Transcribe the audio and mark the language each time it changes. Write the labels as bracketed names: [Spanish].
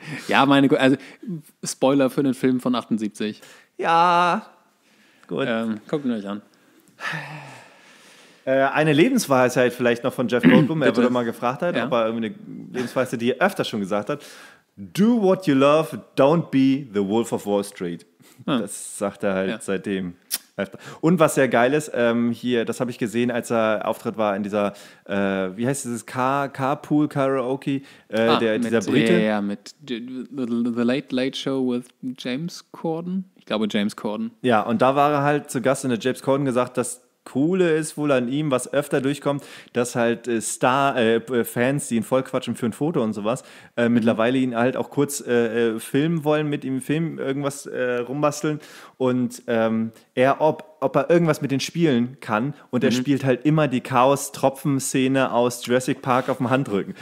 [German] Ja, meine Güte, also Spoiler für den Film von 78. Ja, gut. Guckt ihn euch an. Eine Lebensweisheit vielleicht noch von Jeff Goldblum, er wurde mal gefragt hat, aber irgendwie eine Lebensweisheit, die er öfter schon gesagt hat. [English] Do what you love, don't be the Wolf of Wall Street. [German] Ah. Das sagt er halt seitdem. Und was sehr geil ist, hier, das habe ich gesehen, als er Auftritt war in dieser, wie heißt dieses, Carpool Karaoke, dieser Brite. Ja, mit The Late Late Show with James Corden. Ich glaube James Corden. Ja, und da war er halt zu Gast und hat James Corden gesagt, dass Coole ist wohl an ihm, was öfter durchkommt, dass halt Star-Fans, die ihn voll quatschen für ein Foto und sowas, mittlerweile ihn halt auch kurz filmen wollen, mit ihm filmen, irgendwas rumbasteln und ob er irgendwas mit den Spielen kann und er spielt halt immer die Chaos-Tropfen-Szene aus Jurassic Park auf dem Handrücken.